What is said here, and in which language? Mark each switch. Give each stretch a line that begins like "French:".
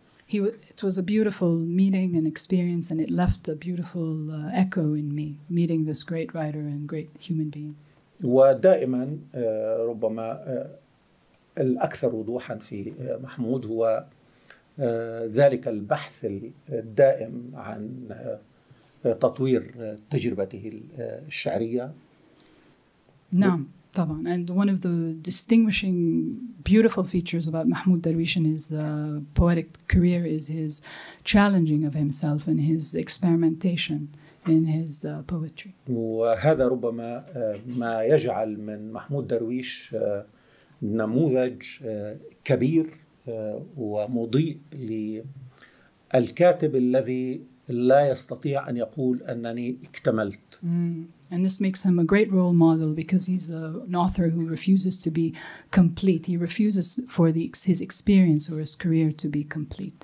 English: It was a beautiful meeting and experience, and it left a beautiful echo in me, meeting this great writer and great human being.
Arabic: ودائما ربما الأكثر وضوحا في محمود هو ذلك البحث الدائم عن تطوير تجربته الشعرية. نعم. طبعاً.
English: And one of the distinguishing beautiful features about Mahmoud Darwish and his poetic career is his challenging of himself and his experimentation in his poetry.
Arabic: وهذا ربما ما يجعل من محمود درويش نموذج كبير ومضيء للكاتب الذي لا يستطيع أن يقول أنني اكتملت.
English: And this makes him a great role model because he's an author who refuses to be complete. He refuses for his experience or his career to be complete.